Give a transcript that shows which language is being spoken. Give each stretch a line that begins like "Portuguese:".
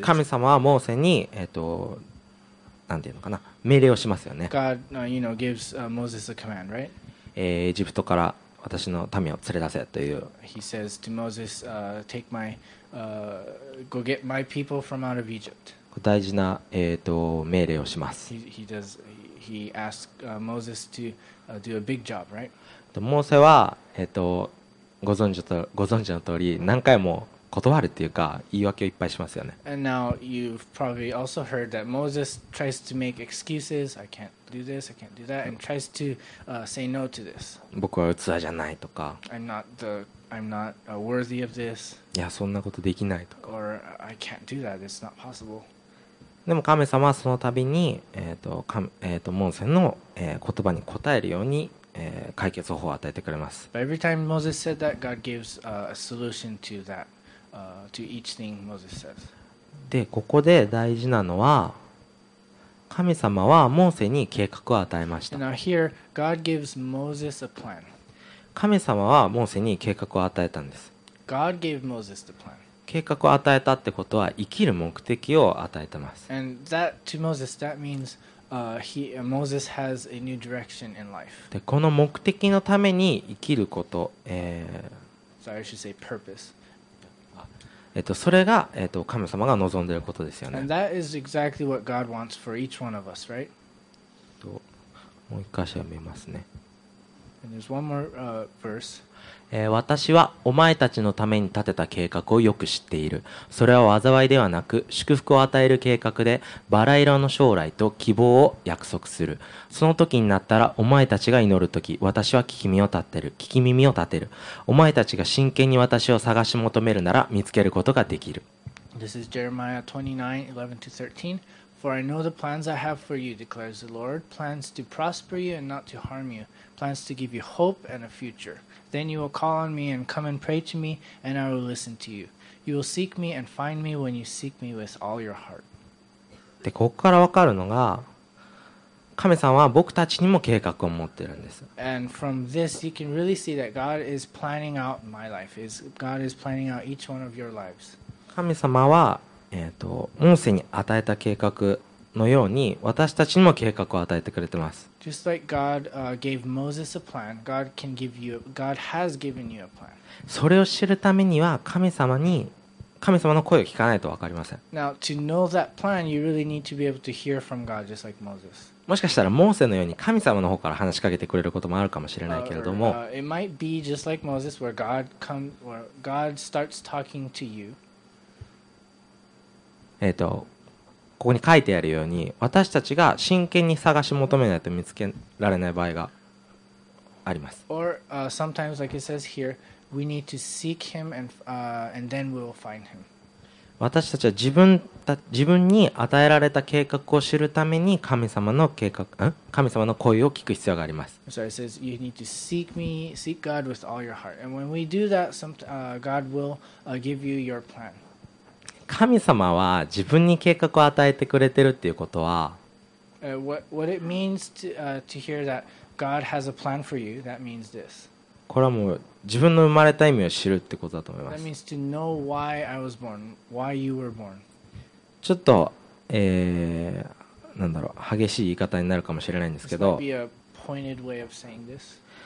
Japanese: 神様はモーセに、なんていうのかな、命令をしますよね。
English: God, you know, gives Moses a command, right?
Japanese: エジプトから私の民を連れ出せという。
English: He says to Moses, take my, go get my people from out of Egypt.
Japanese: 大事な、命令をします。
English: He asked Moses to do a big job, right?
Japanese: モーセは、ご存知の通り何回も断るっていうか言い訳をいっぱいしますよね。
English: And now you've probably also heard that Moses tries to make excuses. I can't do this. I can't do that. And tries to say no to this.
Japanese: 僕は器じゃないとか。
English: I'm not worthy of this.
Japanese: いやそんなことできないとか。
English: Or I can't do that. It's not possible.
Japanese: でも神様はその度に、モーセの、言葉に応えるように、解決方法を与えてくれます。
English: But every time Moses said that, God gives a solution to that, to each thing Moses says.
Japanese: で、ここで大事なのは、神様はモーセに計画を与えました。
English: Now here, God gives Moses a plan.
Japanese: 神様はモーセに計画を与えたんです。
English: God gave Moses the plan.
Japanese: 計画を与えたってことは生きる目的を与えてます。
English: And that to Moses, that means, Moses has a new direction in life.
Japanese: で、この目的のために生きること、
English: Sorry, I should say purpose.
Japanese: それが、神様が望んでいることですよね。
English: And that is exactly what God wants for each one of us, right?
Japanese: もう一箇所読みますね。
English: And there's one more, verse.
Japanese: 私はお前たちのために立てた計画をよく知っている。それは災いではなく祝福を与える計画で、バラ色の将来と希望を約束する。その時になったらお前たちが祈る時、私は聞き耳を立てる。お前たちが真剣に私を探し求めるなら見つけることができる。
English: This is Jeremiah 29:11-13. For I know the plans I have for you, declares the Lord, plans to prosper you and not to harm you, plans to give you hope and a future. Then you will call on me and come and pray to me, and I will listen to you. You will seek me and find me when you seek me with all your heart.
Japanese: で、ここから分かるのが、神さんは僕たちにも計画を持ってるんです。
English: And from this, you can really see that God is planning out my life. God is planning out each one of your lives.
Japanese: 神様は、モーセに与えた計画のように私たちにも計画を与えてくれてます。
English: Just like God, gave Moses a plan, God can give you, God has given you a plan.
Japanese: それを知るためには神様の声を聞かないと分かりません。
English: Now, to know that plan, you really need to be able to hear from God, just like Moses.
Japanese: もしかしたらモーセのように神様の方から話しかけてくれることもあるかもしれないけれども、
English: it might be just like Moses, where God come, where God starts talking to you.
Japanese: ここに書いてあるように、私たちが真剣に探し求めないと見つけられない場合があります。
English: Or, sometimes, like it says here, we need to seek him and, and then we will find him.
Japanese: 私たちは自分に与えられた計画を知るために神様の声を聞く必要があります。
English: So it says you need to seek me, seek God with all your heart. And when we do that, God will give you your plan.
Japanese: 神様は自分に計画を与えてくれてるっていうことは、
English: what it means to hear that God has a plan for you, that means this.
Japanese: これはもう自分の生まれた意味を知るってことだと思います。
English: That means to know why I was born, why you were born.
Japanese: ちょっと、なんだろう、激しい言い方になるかもしれないんですけど、
English: this might be a pointed way of saying this.